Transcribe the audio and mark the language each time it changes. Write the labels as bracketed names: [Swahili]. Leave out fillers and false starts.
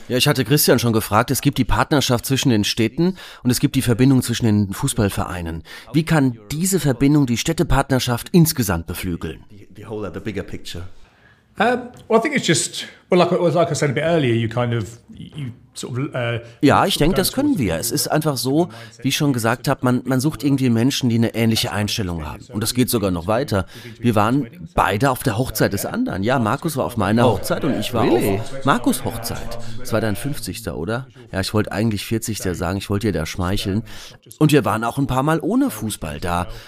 [German] Ja, ich hatte Christian schon gefragt, es gibt die Partnerschaft zwischen den Städten und es gibt die Verbindung zwischen den Fußballvereinen. Wie kann diese Verbindung die Städtepartnerschaft insgesamt beflügeln? [English] The bigger picture. Well, I think it's just, well, like I said a bit earlier, you kind of, you sort of, [German] ja, ich denke, das können wir. Es ist einfach so, wie ich schon gesagt habe, man sucht irgendwie Menschen, die eine ähnliche Einstellung haben. Und das geht sogar noch weiter. Wir waren beide auf der Hochzeit des anderen. Ja, Markus war auf meiner Hochzeit und ich war auf Markus' Hochzeit. Es war dein 50. oder? Ja, ich wollte eigentlich 40. sagen, ich wollte dir da schmeicheln. Und wir waren auch ein paar Mal ohne Fußball da.